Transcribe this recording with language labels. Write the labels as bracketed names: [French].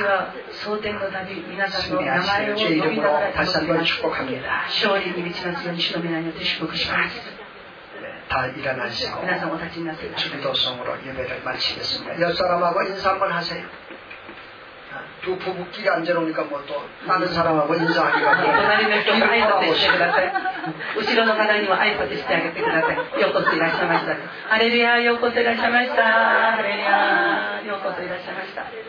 [Japanese] 私は総天の旅皆さんの名前を [Korean] 주의이름으로다시한번축복합니다 [Japanese] 勝利に導くように主の名によって祝福します [Korean] 다일어나시고 [Japanese] 皆さんお立ちになってください [Korean] 주기도성으로예배를마치겠습니다옆사람하고인사한번하세요두부부끼리앉아놓으니까뭐또다른사람하고인사하기가 [Japanese] 隣の人も挨拶してください後ろの方にも挨拶してあげてくださいようこそいらっしゃいましたハレルヤようこそいらっしゃいましたハレルヤようこそいらっしゃいました